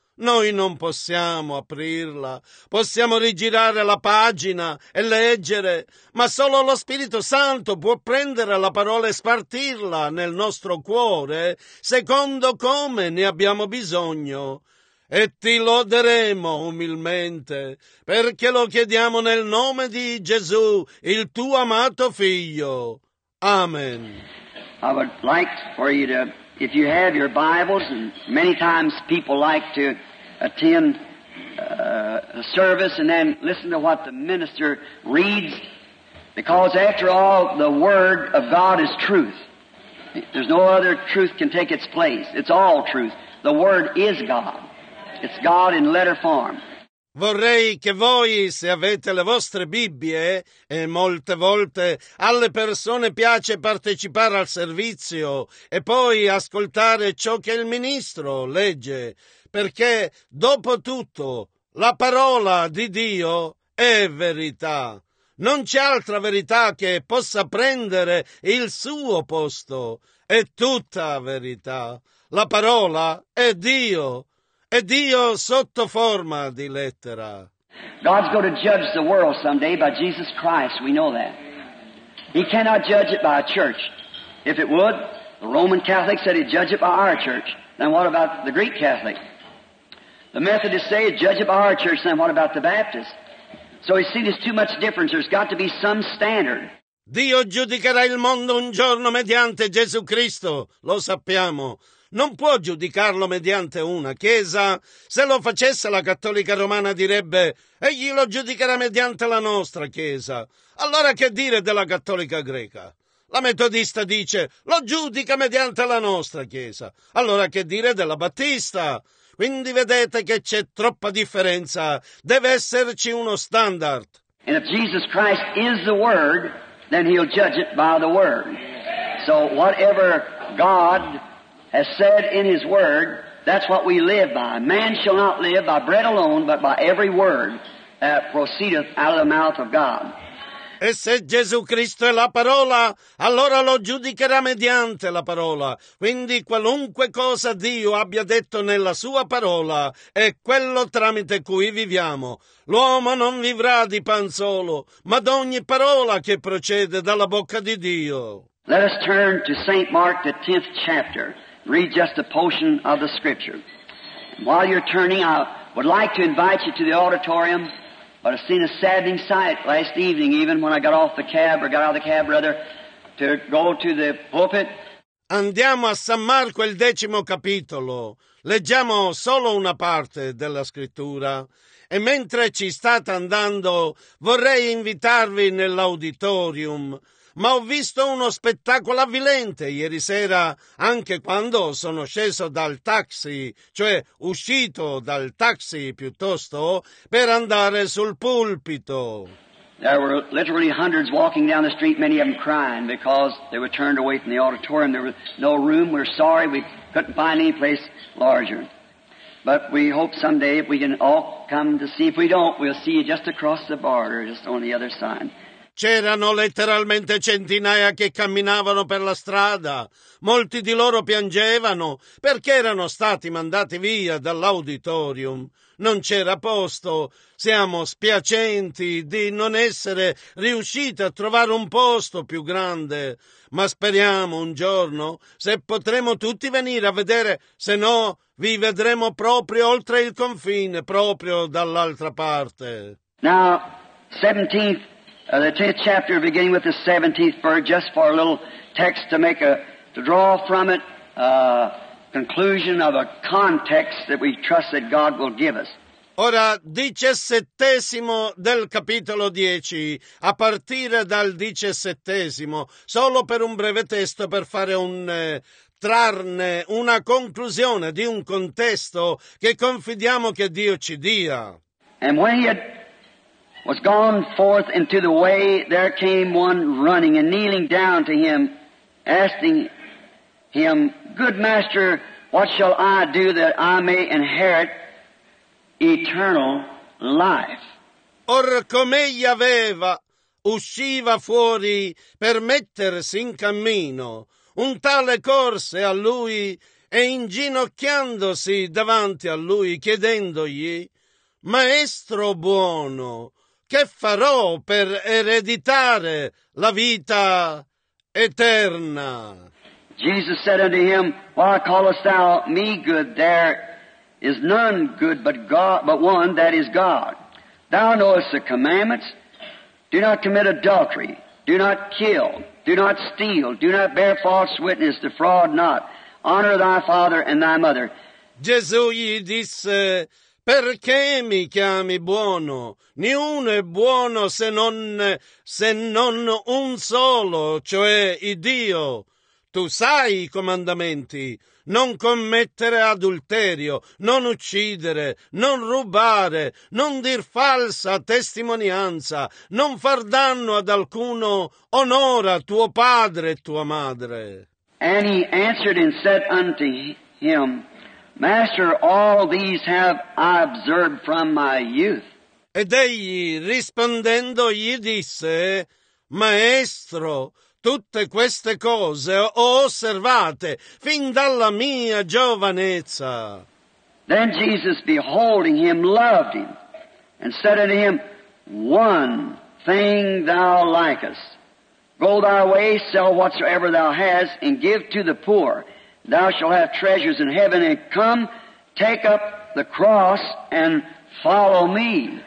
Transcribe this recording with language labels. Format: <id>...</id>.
<it>Noi non possiamo aprirla, possiamo rigirare la pagina e leggere, ma solo lo Spirito Santo può prendere la parola e spartirla nel nostro cuore, secondo come ne abbiamo bisogno. E ti loderemo umilmente, perché lo chiediamo nel nome di Gesù, il tuo amato Figlio. Amen.</it> <en>I would like for you to, if you have your Bibles, and many times people like to attend a service and then listen to what the minister reads, because after all, the Word of God is truth. There's no other truth can take its place. It's all truth. The Word is God. It's God in letter form.</en> <it>Vorrei che voi, se avete le vostre Bibbie, e molte volte alle persone piace partecipare al servizio e poi ascoltare ciò che il ministro legge, perché dopo tutto la parola di Dio è verità. Non c'è altra verità che possa prendere il suo posto. È tutta verità. La parola è Dio. È Dio sotto forma di lettera.</it> <en>God's going to judge the world someday by Jesus Christ. We know that. He cannot judge it by a church. If it would, the Roman Catholic said he'd judge it by our church. Then what about the Greek Catholic? The Methodists say he'd judge it by our church. Then what about the Baptist? So you see, there's too much difference. There's got to be some standard.</en> <it>Dio giudicherà il mondo un giorno mediante Gesù Cristo. Lo sappiamo. Non può giudicarlo mediante una chiesa. Se lo facesse la cattolica romana direbbe egli lo giudicherà mediante la nostra chiesa. Allora che dire della cattolica greca? La metodista dice lo giudica mediante la nostra chiesa. Allora che dire della battista? Quindi vedete che c'è troppa differenza. Deve esserci uno standard.</it> <en>And if Jesus Christ is the Word, then he'll judge it by the Word. So whatever God has said in his word, that's what we live by. Man shall not live by bread alone, but by every word that proceedeth out of the mouth of God.</en> <it>E se Gesù Cristo è la parola, allora lo giudicherà mediante la parola. Quindi qualunque cosa Dio abbia detto nella sua parola è quello tramite cui viviamo. L'uomo non vivrà di pan solo, ma d'ogni parola che procede dalla bocca di Dio.</it> <en>Let us turn to St. Mark, the 10th chapter. Read just a portion of the scripture. While you're turning, I would like to invite you to the auditorium, but I've seen a saddening sight last evening, even when I got off the cab or got out of the cab, rather, to go to the pulpit.</en> <it>Andiamo a San Marco, il decimo capitolo. Leggiamo solo una parte della scrittura. E mentre ci state andando, vorrei invitarvi nell'auditorium. Ma ho visto uno spettacolo avvilente ieri sera, anche quando sono sceso dal taxi, cioè uscito dal taxi piuttosto, per andare sul pulpito.</it> <en>There were literally hundreds walking down the street, many of them crying because they were turned away from the auditorium. There was no room. We're sorry, we couldn't find any place larger. But we hope someday if we can all come to see. If we don't, we'll see you just across the border, just on the other side.</en> <it>C'erano letteralmente centinaia che camminavano per la strada. Molti di loro piangevano perché erano stati mandati via dall'auditorium. Non c'era posto. Siamo spiacenti di non essere riusciti a trovare un posto più grande. Ma speriamo un giorno se potremo tutti venire a vedere. Se no, vi vedremo proprio oltre il confine, proprio dall'altra parte.</it> <en>Now, 17th, the 10th chapter, beginning with the 17th verse, just for a little text to make a, to draw from it a conclusion of a context that we trust that God will give us.</en> <it>Ora, 17° del capitolo 10, a partire dal 17°, solo per un breve testo, per fare un... trarne una conclusione di un contesto che confidiamo che Dio ci dia.</it> <en>And when he had was gone forth into the way, there came one running and kneeling down to him, asking him, Good master, what shall I do that I may inherit eternal life?</en> <it>Or com'egli aveva, usciva fuori per mettersi in cammino. Un tale corse a lui e inginocchiandosi davanti a lui, chiedendogli, Maestro buono, che farò per ereditare la vita eterna?</it> <en>Jesus said unto him, Why callest thou me good? There is none good but God, but one that is God. Thou knowest the commandments. Do not commit adultery. Do not kill. Do not steal, do not bear false witness, defraud not, honor thy father and thy mother.</en> <it>Gesù gli disse, perché mi chiami buono? Niuno è buono se non un solo, cioè il Dio. Tu sai i comandamenti, non commettere adulterio, non uccidere, non rubare, non dir falsa testimonianza, non far danno ad alcuno, onora tuo padre e tua madre.</it> <en>And he answered and said unto him, Master, all these have I observed from my youth.</en> <it>Ed egli rispondendo gli disse, Maestro, tutte queste cose ho osservate fin dalla mia giovanezza.</it> <en>Then Jesus, beholding him, loved him, and said unto him, One thing thou likest. Go thy way, sell whatsoever thou hast, and give to the poor. Thou shalt have treasures in heaven, and come, take up the cross, and follow me.</en>